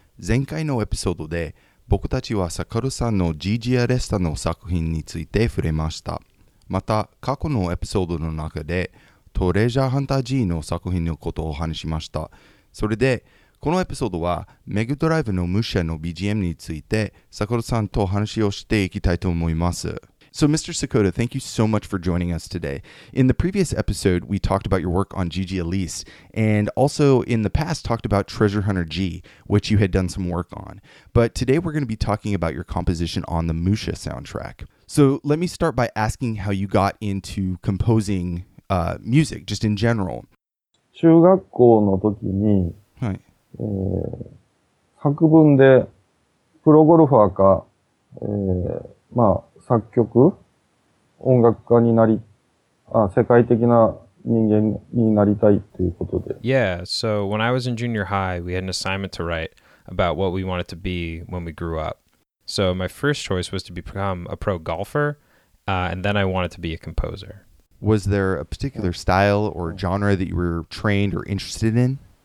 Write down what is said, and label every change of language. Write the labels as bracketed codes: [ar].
[ja] 前回のエピソードで僕たちはサカルさんのジージアレスタの作品について触れました。また過去のエピソードの中でトレジャーハンター G の作品のことをお話しました。それでこのエピソードはメグドライブの武者の BGM についてサカルさんとお話をしていきたいと思います。 [en] So Mr. Sakoda, thank you so much for joining us today. In the previous episode, we talked about your work on GG Elise, and also in the past talked about Treasure Hunter G, which you had done some work on. But today we're going to be talking about your composition on the Musha soundtrack. So let me start by asking how you got into composing music, just in general. [ja] 中学校の時に、はい、作文でプロゴルファーか、まあ作曲、音楽家になり、あ、世界的な人間になりたいということで。 [en] Yeah, so when I was in junior high, we had an assignment to write about what we wanted to be when we grew up. So my first choice was to become a pro golfer, and then I wanted to be a composer. Was there a particular style or genre that you were trained or interested in?